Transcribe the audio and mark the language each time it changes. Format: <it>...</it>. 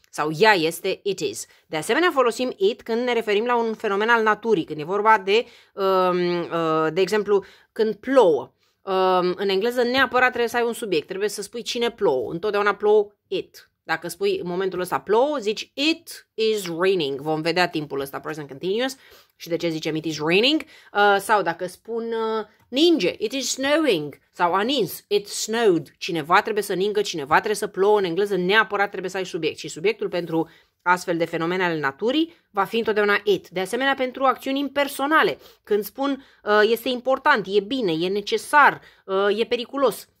<ro>Sau ea este,</ro> <en>it is.</en> <ro>De asemenea, folosim it când ne referim la un fenomen al naturii, când e vorba de, de exemplu, când plouă. În engleză neapărat trebuie să ai un subiect, trebuie să spui cine plouă. Întotdeauna plouă it. Dacă spui în momentul ăsta plouă, zici</ro> <en>it is raining.</en> <ro>Vom vedea timpul ăsta,</ro> <en>present continuous,</en> <ro>și de ce zicem</ro> <en>it is raining.</en> <ro>Sau dacă spun ninge,</ro> <en>it is snowing.</en> <ro>Sau a nins,</ro> <en>it snowed.</en> <ro>Cineva trebuie să ningă, cineva trebuie să plouă. În engleză neapărat trebuie să ai subiect. Și subiectul pentru astfel de fenomene ale naturii va fi întotdeauna it. De asemenea, pentru acțiuni impersonale. Când spun este important, e bine, e necesar, e periculos.</ro>